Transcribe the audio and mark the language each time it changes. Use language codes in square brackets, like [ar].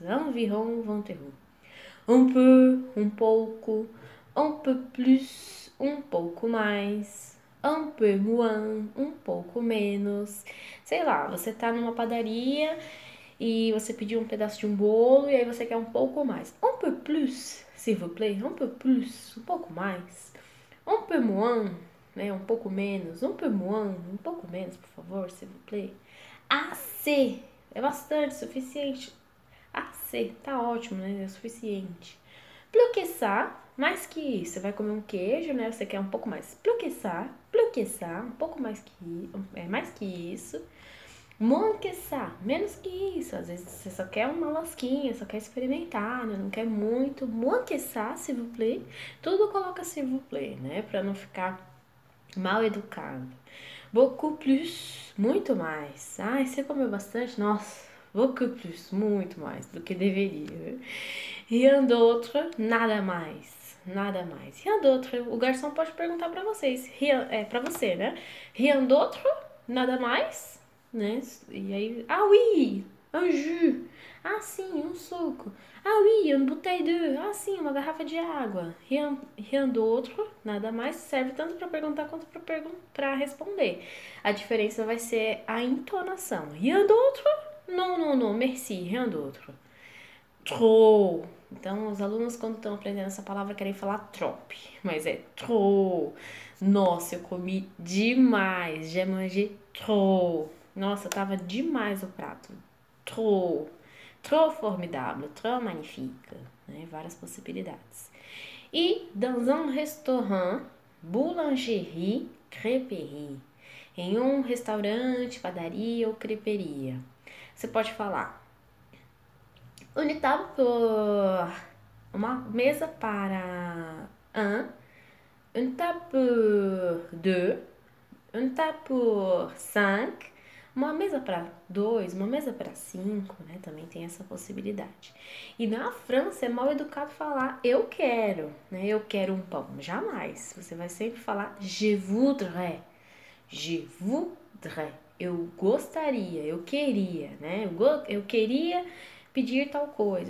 [fr] Environ, 20 euros. Un peu, [pt] um pouco. [fr] Un peu plus, [pt] um pouco mais. [fr] Un peu moins, [pt] um pouco menos. Sei lá, você tá numa padaria e você pediu um pedaço de um bolo e aí você quer um pouco mais. [fr] Un peu plus, s'il vous plaît, un peu plus, [pt] um pouco mais. [fr] Un peu moins, né, [pt] um pouco menos. [fr] Un peu moins, [pt] um pouco menos, por favor, [fr] s'il vous plaît. [pt] Assez, é bastante, suficiente. Assez, tá ótimo, né, é suficiente. [fr] Plus que ça, [pt] mais que isso. Você vai comer um queijo, né, você quer um pouco mais. Plus que ça. [fr] Plus que ça, [pt] um pouco mais que isso. [fr] Moins que ça, [pt] menos que isso. Às vezes você só quer uma lasquinha, só quer experimentar, né? Não quer muito. [fr] Moins que ça, s'il vous plaît. [pt] Tudo coloca [fr] s'il vous plaît, né? [pt] Pra não ficar mal educado. [fr] Beaucoup plus, [pt] muito mais. Ai, você comeu bastante? Nossa, [fr] beaucoup plus, [pt] muito mais do que deveria. [fr] Rien d'autre, [pt] nada mais. Nada mais. Rien d'autre. O garçom pode perguntar para vocês. É para você, né? [fr] Rien d'autre? [pt] Nada mais? Né? E aí. [fr] Ah, oui! Un jus! [pt] Ah, sim, um suco. Ah, oui, une bouteille d'eau. Ah, sim, uma garrafa de água. Rien d'autre? Nada mais. Serve tanto para perguntar quanto para responder. A diferença vai ser a entonação. [fr] Rien d'autre? Non, non, non. Merci. Rien d'autre. Trop! [pt] Então, os alunos, quando estão aprendendo essa palavra, querem falar trop, mas é trop. Nossa, eu comi demais. [fr] J'ai mangé trop. [pt] Nossa, tava demais o prato. [fr] Trop. Trop formidable. Trop magnifique. Né? [pt] Várias possibilidades. [fr] E dans un restaurant, boulangerie, crêperie. [pt] Em um restaurante, padaria ou crêperia. Você pode falar. [fr] Une table pour, [pt] uma mesa para [fr] un, une table pour deux, une table pour cinq, [pt] Uma mesa para dois, uma mesa para cinco, né? Também tem essa possibilidade. E na França é mal educado falar eu quero, né? Eu quero um pão. Jamais. Você vai sempre falar [fr] je voudrais. [pt] Je voudrais. Eu gostaria, eu queria, né? Eu queria pedir tal coisa.